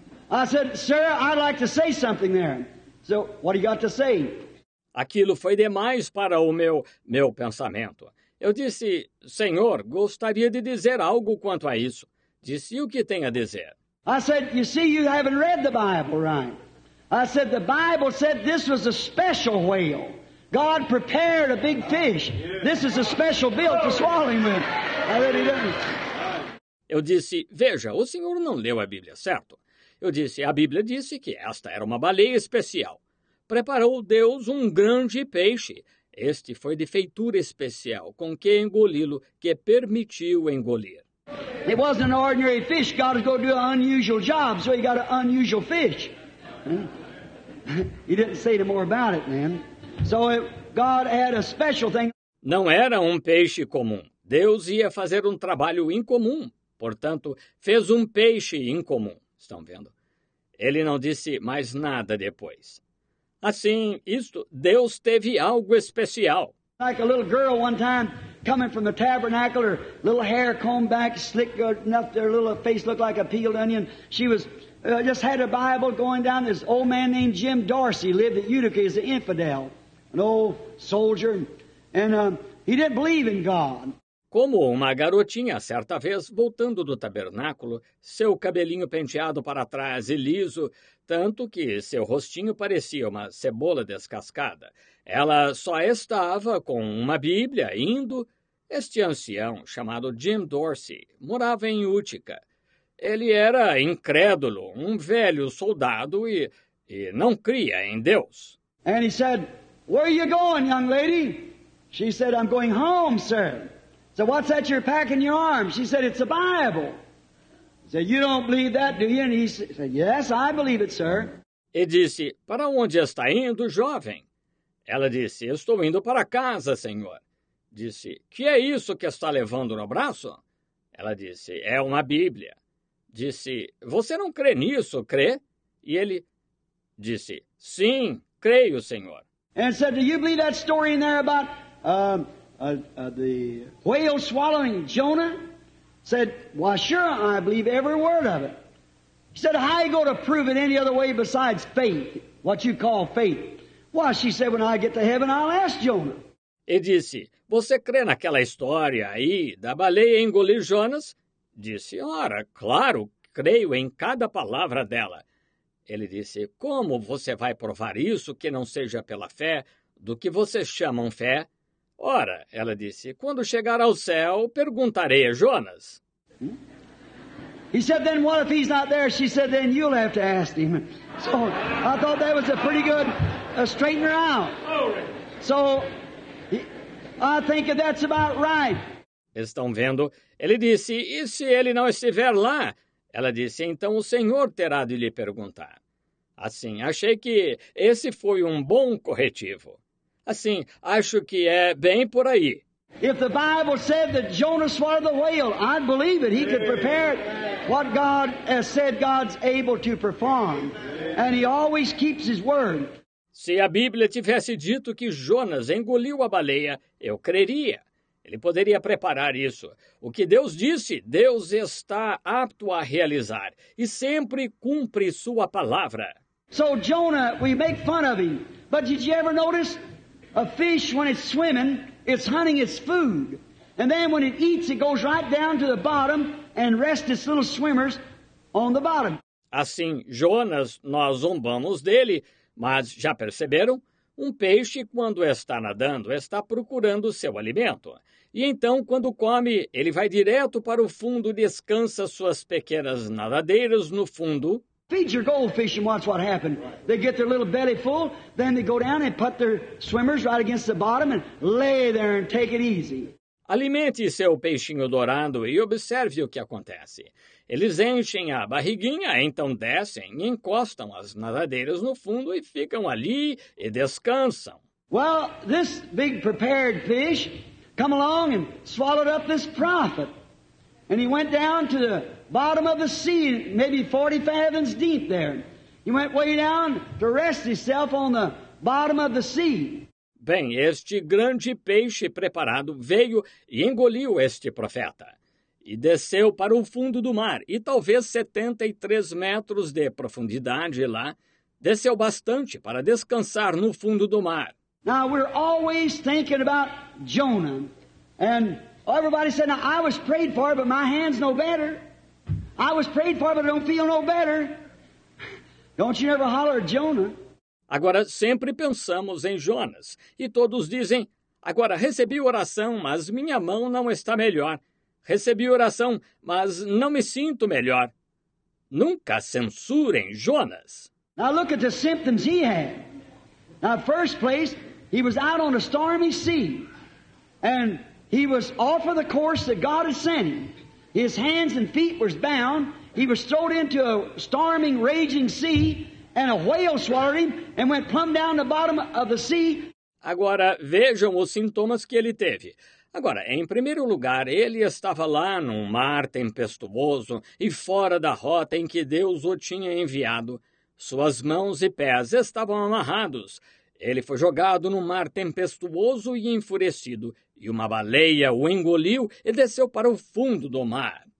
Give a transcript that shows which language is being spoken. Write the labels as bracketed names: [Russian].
[English] I said, sir, I'd like to say something there. So, what do you got to say? [Portuguese] Aquilo foi demais para o meu pensamento. Eu disse, senhor, gostaria de dizer algo quanto a isso. Disse, o que tem a dizer? [English] I said, you see, you haven't read the Bible, right? I said, the Bible said this was a special whale. God prepared a big fish. This is a special build to swallow him with. I really didn't. [Portuguese] Eu disse, veja, o senhor não leu a Bíblia, certo? Eu disse, a Bíblia disse que esta era uma baleia especial. Preparou Deus um grande peixe. Este foi de feitura especial, com que engoli-lo, que permitiu engolir. [English] It wasn't an ordinary fish. God was going to do an unusual job, so he got an unusual fish. He didn't say any more about it, man. So God had a special thing. [Portuguese] Não era um peixe comum. Deus ia fazer um trabalho incomum. Portanto, fez um peixe incomum. Estão vendo? Ele não disse mais nada depois. Assim, isto, Deus teve algo especial. [English] Like a little girl one time coming from the tabernacle, her little hair combed back, slick enough, her little face looked like a peeled onion. She was just had a Bible going down. This old man named Jim Darcy lived at Utica. He's an infidel, an old soldier, and he didn't believe in God. [Portuguese] Como uma garotinha, certa vez, voltando do tabernáculo, seu cabelinho penteado para trás e liso, tanto que seu rostinho parecia uma cebola descascada. Ela só estava com uma Bíblia indo. Este ancião, chamado Jim Darcy, morava em Utica. Ele era incrédulo, um velho soldado e não cria em Deus. [English] And he said, "Where are you going, young lady?" She said, "I'm going home, sir." So what's that you're packing your arm? She said, it's a Bible. He said, you don't believe that, do you? And he said, yes, I believe it, sir. [Portuguese] E disse, para onde está indo, jovem? Ela disse, estou indo para casa, senhor. Disse, que é isso que está levando no braço? Ela disse, é uma Bíblia. Disse, você não crê nisso, crê? E ele disse, sim, creio, senhor. [English] And said, do you believe that story in there about... the whale swallowing Jonah, said, "Why, sure, I believe every word of it." She said, "How are you going to prove it any other way besides faith, what you call faith?" "Why," she said, "when I get to heaven, I'll ask Jonah." [Portuguese] E disse, "Você crê naquela história aí da baleia engolir Jonas?" Disse, "Ora, claro, creio em cada palavra dela." Ele disse, "Como você vai provar isso que não seja pela fé, do que vocês chamam fé?" Ora, ela disse, quando chegar ao céu, perguntarei a Jonas. [English] He said, then what if he's not there? She said, then you'll have to ask him. So I thought that was a pretty good straightener out. So I think that's about right. [Portuguese] Estão vendo? Ele disse, e se ele não estiver lá? Ela disse, então o Senhor terá de lhe perguntar. Assim, achei que esse foi um bom corretivo. Assim, acho que é bem por aí. [English] If the Bible said that Jonah swallowed the whale, I'd believe it. He could prepare it. What God has said, God's able to perform. And he always keeps his word. [Portuguese] Se a Bíblia tivesse dito que Jonas engoliu a baleia, eu creria. Ele poderia preparar isso. O que Deus disse, Deus está apto a realizar. E sempre cumpre sua palavra. [English] So Jonah, we make fun of him. But did you ever notice... A fish, when it's swimming, it's hunting its food. And then when it eats, it goes right down to the bottom and rests its little swimmers on the bottom. [Portuguese] Assim, Jonas, nós zombamos dele, mas já perceberam? Um peixe, quando está nadando, está procurando seu alimento. E então, quando come, ele vai direto para o fundo e descansa suas pequenas nadadeiras no fundo. [English] Feed your goldfish and watch what happened. They get their little belly full, then they go down and put their swimmers right against the bottom and lay there and take it easy. [Portuguese] Alimente seu peixinho dourado e observe o que acontece. Eles enchem a barriguinha, então descem, encostam as nadadeiras no fundo e ficam ali e descansam. [English] Well, this big prepared fish come along and swallowed up this prophet. And he went down to the bottom of the sea, maybe 40 fathoms deep there. He went way down to rest himself on the bottom of the sea. [Portuguese] Bem, este grande peixe preparado veio e engoliu este profeta. E desceu para o fundo do mar, e talvez 73 metros de profundidade lá. Desceu bastante para descansar no fundo do mar. [English] Now, we're always thinking about Jonah. And everybody said, now, I was prayed for, but my hand's no better. I was prayed for, but I don't feel no better. Don't you ever holler at Jonah. [Portuguese] Agora, sempre pensamos em Jonas, e todos dizem, agora recebi oração, mas minha mão não está melhor. Recebi oração, mas não me sinto melhor. Nunca censurem Jonas. [English] Now look at the symptoms he had. Now, first place, he was out on a stormy sea, and he was off of the course that God had sent him. His hands and feet were bound. He was thrown into a storming, raging sea, and a whale swallowed him and went plumb down the bottom of the sea. [Portuguese] Agora, vejam os sintomas que ele teve. Agora, em primeiro lugar, ele estava lá num mar tempestuoso e fora da rota em que Deus o tinha enviado. Suas mãos e pés estavam amarrados. Ele foi jogado no mar tempestuoso e enfurecido, e uma baleia o engoliu e desceu para o fundo do mar.